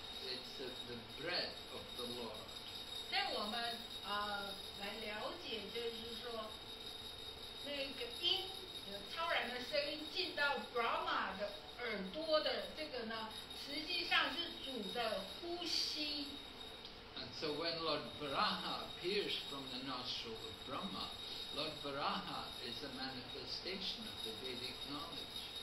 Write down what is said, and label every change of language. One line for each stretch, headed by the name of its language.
English: It's the breath of the Lord.
Chinese: 在我们来了解，就是说，那个音，超然的声音进到 Brahma 的耳朵的这个呢，实际上是主的呼吸。
English: And so when Lord Varaha appears from the nostril of Brahma, Lord Varaha is a manifestation of the Vedic knowledge.